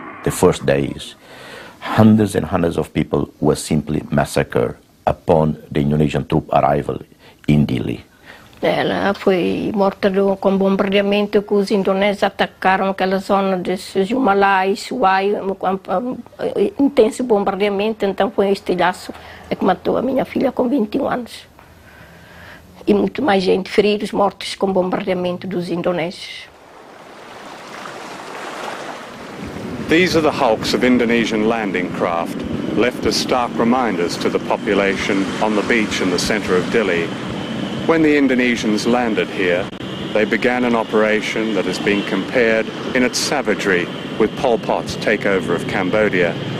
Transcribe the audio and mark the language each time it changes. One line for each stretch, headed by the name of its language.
English: first days, hundreds and hundreds of people were simply massacred upon the Indonesian troop arrival in Dili.
Portuguese: Ela foi morta com bombardeamento que os indonésios atacaram aquela zona de Jumalai, Suai, com intenso bombardeamento, então foi um estilhaço que matou a minha filha com 21 anos. E muito mais gente, feridos, mortos com bombardeamento dos indonésios.
English: These are the hulks of Indonesian landing craft, left as stark reminders to the population on the beach in the center of Dili. When the Indonesians landed here, they began an operation that has been compared in its savagery with Pol Pot's takeover of Cambodia.